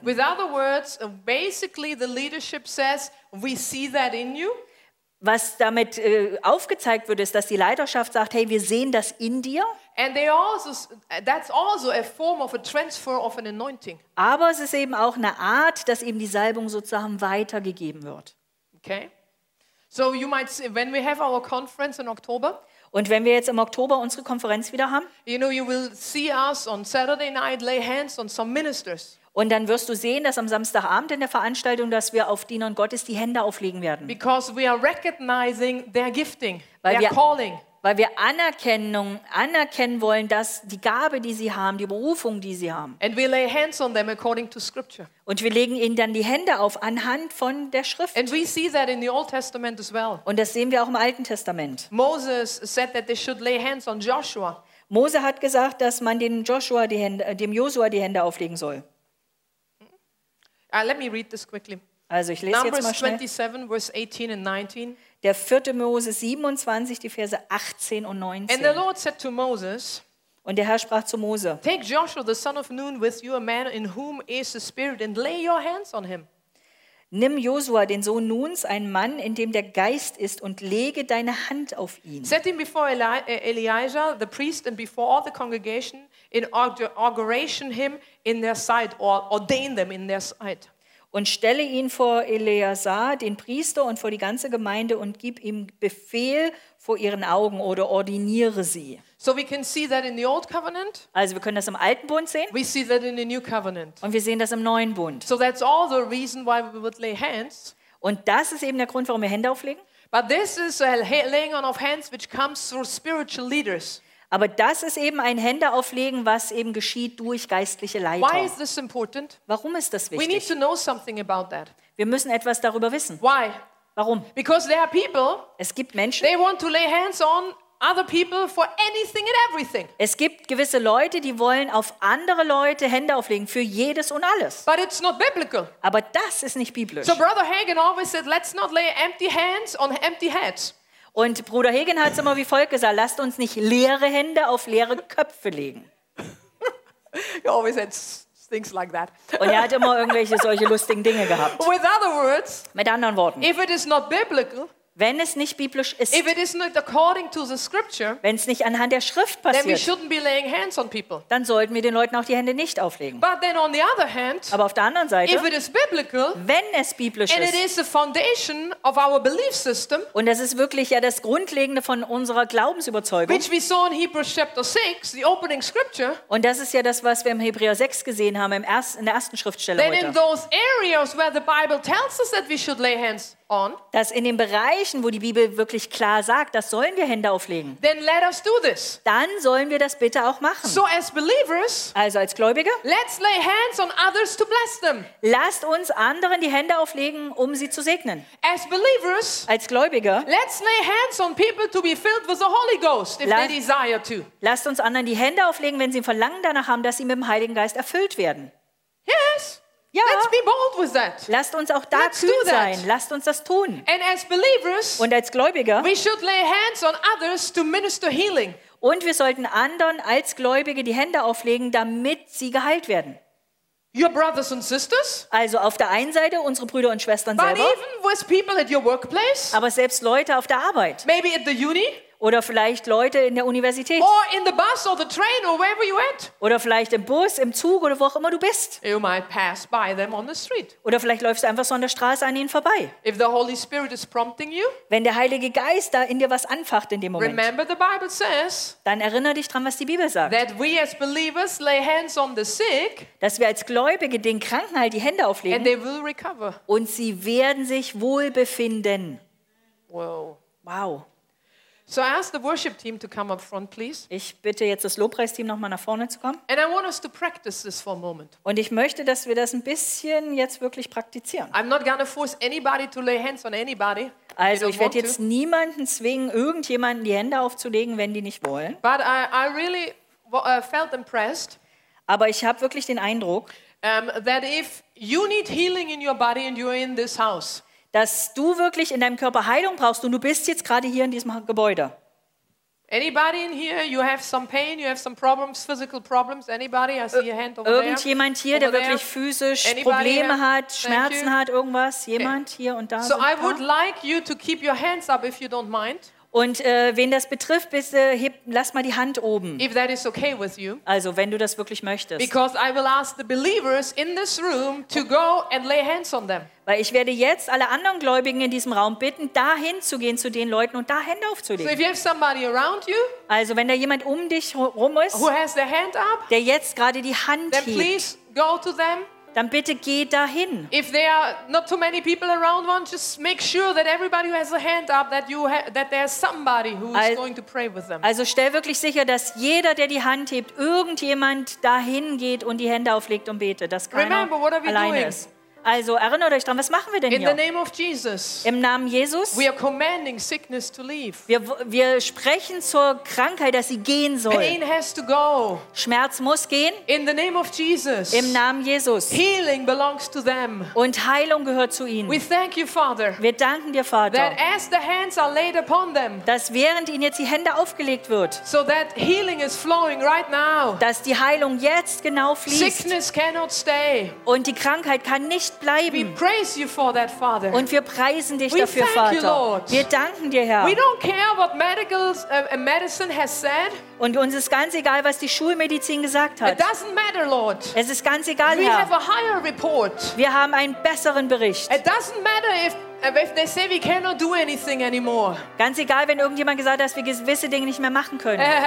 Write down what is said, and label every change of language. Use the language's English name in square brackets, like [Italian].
[English] With other words, basically the leadership says, we see that in you. [German] Was damit aufgezeigt wird, ist, dass die Leiterschaft sagt, hey, wir sehen das in dir. [English] And they also, that's also a form of a transfer of an anointing. [German] Aber es ist eben auch eine Art, dass eben die Salbung sozusagen weitergegeben wird. [English] Okay. So you might say, when we have our conference in October. [German] Und wenn wir jetzt im Oktober unsere Konferenz wieder haben. [English] You know, you will see us on Saturday night lay hands on some ministers. [German] Und dann wirst du sehen, dass am Samstagabend in der Veranstaltung, dass wir auf Dienern Gottes die Hände auflegen werden. [English] Because we are recognizing their gifting, calling. [German] Weil wir anerkennen wollen, dass die Gabe, die sie haben, die Berufung, die sie haben. [English] And we lay hands on them according to scripture. [German] Und wir legen ihnen dann die Hände auf anhand von der Schrift. [English] And we see that in the Old Testament as well. [German] Und das sehen wir auch im Alten Testament. [English] Moses said that they should lay hands on Joshua. [German] Mose hat gesagt, dass man dem Joshua die Hände auflegen soll. [English] Let me read this quickly. [German] Also ich lese [English] Numbers [German] jetzt mal schnell. [English] Numbers 27, verse 18 and 19. [German] Der 4. Mose 27, die Verse 18 und 19. [English] And the Lord said to Moses, [German] und der Herr sprach zu Mose, [English] take Joshua the son of Nun with you, a man in whom is the spirit, and lay your hands on him. [German] Nimm Josua, den Sohn Nuns, einen Mann, in dem der Geist ist, und lege deine Hand auf ihn. [English] Set him before Eliezer, the priest, and before all the congregation, inauguration him in their sight, or ordain them in their sight. [German] Und stelle ihn vor Eleazar, den Priester, und vor die ganze Gemeinde und gib ihm Befehl vor ihren Augen oder ordiniere sie. [English] So we can see that in the old covenant. [German] Also wir können das im alten Bund sehen. [English] We see that in the new covenant. [German] Und wir sehen das im neuen Bund. [English] So that's all the reason why we would lay hands. [German] Und das ist eben der Grund, warum wir Hände auflegen. [English] But this is a laying on of hands which comes through spiritual leaders. [German] Aber das ist eben ein Händeauflegen, was eben geschieht durch geistliche Leiter. [English] Why is this important? [German] Warum ist das wichtig? [English] We need to know something about that. [German] Wir müssen etwas darüber wissen. [English] Why? [German] Warum? [English] Because there are people, [German] es gibt Menschen, [English] they want to lay hands on other people for anything and everything. [German] Es gibt gewisse Leute, die wollen auf andere Leute Hände auflegen für jedes und alles. [English] But it's not biblical. [German] Aber das ist nicht biblisch. [English] So Brother Hagin always said, let's not lay empty hands on empty heads. [German] Und Bruder Hagin hat es immer wie folgt gesagt, lasst uns nicht leere Hände auf leere Köpfe legen. [English] He always said things like that. [German] Und er hat immer irgendwelche solche lustigen Dinge gehabt. [English] With other words, [German] mit anderen Worten, [English] if it is not biblical, [German] wenn es nicht biblisch ist, [English] if it is not according to the scripture, [German] wenn es nicht anhand der Schrift passiert, [English] then we shouldn't be laying hands on people. [German] Dann sollten wir den Leuten auch die Hände nicht auflegen. [English] But then on the other hand, [German] aber auf der anderen Seite, [English] if it is biblical, [German] wenn es biblisch [English] and [German] ist, [English] it is the foundation of our belief system, [German] und das ist wirklich ja das Grundlegende von unserer Glaubensüberzeugung, [English] which we saw in Hebrews chapter 6, the opening scripture, [German] und das ist ja das, was wir im Hebräer 6 gesehen haben, in der ersten Schriftstelle heute. [English] Then in those areas where the Bible tells us that we should lay hands on, [German] dass in den Bereichen, wo die Bibel wirklich klar sagt, das sollen wir Hände auflegen, [English] then let us do this. [German] Dann sollen wir das bitte auch machen. [English] So as believers, [German] also als Gläubige, [English] let's lay hands on others to bless them. [German] Lasst uns anderen die Hände auflegen, um sie zu segnen. [English] As believers, [German] als Gläubige, [English] let's lay hands on people to be filled with the Holy Ghost if they desire to. [German] Lasst uns anderen die Hände auflegen, wenn sie ein Verlangen danach haben, dass sie mit dem Heiligen Geist erfüllt werden. [English] Yes. [German] Ja. [English] Let's be bold with that. [German] Lasst uns auch da kühn sein. Lasst uns das tun. [English] And as believers, [German] und als Gläubiger, [English] we should lay hands on others to minister healing. [German] Und wir sollten anderen als Gläubige die Hände auflegen, damit sie geheilt werden. [English] Your brothers and sisters? [German] Also auf der einen Seite unsere Brüder und Schwestern [English] but [German] selber. [English] Even with people at your workplace? [German] Aber selbst Leute auf der Arbeit. [English] Maybe at the uni? [German] Oder vielleicht Leute in der Universität. [English] Or in the bus or the train or wherever you at. [German] Oder vielleicht im Bus, im Zug oder wo auch immer du bist. [English] You might pass by them on the street. [German] Oder vielleicht läufst du einfach so an der Straße an ihnen vorbei. [English] If the Holy Spirit is prompting you, [German] wenn der Heilige Geist da in dir was anfacht in dem Moment, [English] remember the Bible says, [German] dann erinnere dich dran, was die Bibel sagt. [English] That we as believers lay hands on the sick, [German] dass wir als Gläubige den Kranken halt die Hände auflegen, [English] and they will recover. [German] Und sie werden sich wohlbefinden. [English] Wow. [German] Wow. [English] So I ask the worship team to come up front, please. [German] Ich bitte jetzt das Lobpreisteam noch mal nach vorne zu kommen. [English] And I want us to practice this for a moment. [German] Und ich möchte, dass wir das ein bisschen jetzt wirklich praktizieren. [English] I'm not gonna force anybody to lay hands on anybody. [German] Also ich werde jetzt niemanden zwingen, irgendjemanden die Hände aufzulegen, wenn die nicht wollen. [English] But I really felt impressed. [German] Aber ich habe wirklich den Eindruck, [English] that if you need healing in your body and you're in this house, [German] dass du wirklich in deinem Körper Heilung brauchst und du bist jetzt gerade hier in diesem Gebäude. [English] Anybody in here, you have some pain, you have some problems, physical problems, anybody, I see a hand over there. [German] Irgendjemand hier, der wirklich physisch Probleme hat, Schmerzen hat, irgendwas, jemand hier und da? [English] So I would like you to keep your hands up if you don't mind. [German] Und wen das betrifft, bitte lass mal die Hand oben. [English] If that is okay with you. [German] Also, wenn du das wirklich möchtest. [English] Because I will ask the believers in this room to go and lay hands on them. [German] Weil ich werde jetzt alle anderen Gläubigen in diesem Raum bitten, dahin zu gehen zu den Leuten und da Hände aufzulegen. [English] So if you have somebody around you, [German] also, wenn da jemand um dich rum ist, [English] who has their hand up, [German] der jetzt gerade die Hand [English] then [German] hebt, [English] please go to them. [German] Dann bitte geh dahin. [English] If there are not too many people around one, just make sure that everybody who has a hand up that you that there's somebody who is going to pray with them. [German] Also stell wirklich sicher, dass jeder, der die Hand hebt, irgendjemand dahin geht und die Hände auflegt und betet, dass keiner alleine ist. Also erinnert euch dran, was machen wir denn hier? [English] In the name of Jesus. [German] Im Namen Jesus. [English] We are commanding sickness to leave. [German] Wir sprechen zur Krankheit, dass sie gehen soll. [English] Pain has to go. [German] Schmerz muss gehen. [English] In the name of Jesus. [German] Im Namen Jesus. [English] Healing belongs to them. [German] Und Heilung gehört zu ihnen. [English] We thank you, Father. [German] Wir danken dir, Vater. [English] That as the hands are laid upon them. [German] Dass während ihnen jetzt die Hände aufgelegt wird. [English] So that healing is flowing right now. [German] Dass die Heilung jetzt genau fließt. [English] Sickness cannot stay. [German] Und die Krankheit kann nicht bleiben. [English] We praise you for that, Father. [German] Und wir preisen dich [English] we [German] dafür, [English] thank You, Lord. [German] Wir danken dir, Herr. [English] We don't care what medical, medicine has said. [German] Und uns ist ganz egal, was die Schulmedizin gesagt hat. [English] It doesn't matter, Lord. [German] Es ist ganz egal, [English] we [German] Herr. [English] Have a higher report. [German] Wir haben einen besseren Bericht. [English] It doesn't matter if they say we cannot do anything anymore. [German] Ganz egal, wenn irgendjemand gesagt hat, dass wir gewisse Dinge nicht mehr machen können.